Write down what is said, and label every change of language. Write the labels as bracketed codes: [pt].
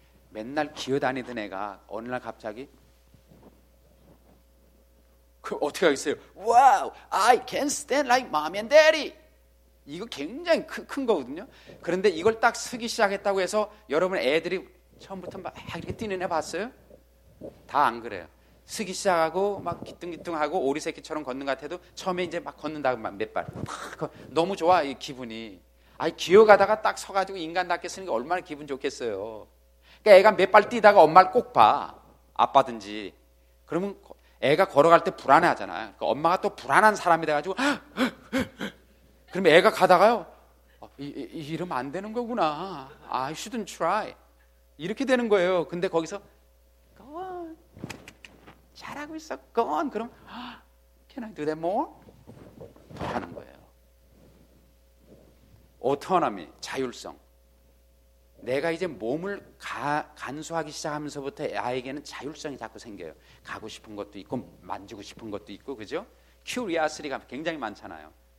[ko] 맨날 기어다니던 애가 어느 날 갑자기 그 어떻게 하겠어요? [en] Wow, I can stand like mommy and daddy. [ko] 이거 굉장히 큰 거거든요. 그런데 이걸 딱 쓰기 시작했다고 해서 여러분 애들이 처음부터 막 이렇게 뛰는 애 봤어요? 다 안 그래요. 쓰기 시작하고 막 기뚱기뚱하고 오리새끼처럼 걷는 것 같아도 처음에 이제 막 걷는다고 막 몇 발 막 너무 좋아 이 기분이. 아니 기어가다가 딱 서가지고 인간답게 쓰는 게 얼마나 기분 좋겠어요. 그러니까 애가 몇 발 뛰다가 엄마를 꼭 봐. 아빠든지. 그러면 애가 걸어갈 때 불안해하잖아요. 그러니까 엄마가 또 불안한 사람이 돼가지고 그러면 애가 가다가요 이러면 안 되는 거구나. [en] I shouldn't try. [ko] 이렇게 되는 거예요. 근데 거기서 잘하고 있어. [en] Go on. [ko] 그럼 [en] Can I do that more? [ko] 더 하는 거예요. Autonomy, 자율성. 내가 이제 몸을 간수하기 시작하면서부터 아이에게는 자율성이 자꾸 생겨요. 가고 싶은 것도 있고 만지고 싶은 것도 있고 그죠? 큐리아스리가 굉장히 많잖아요.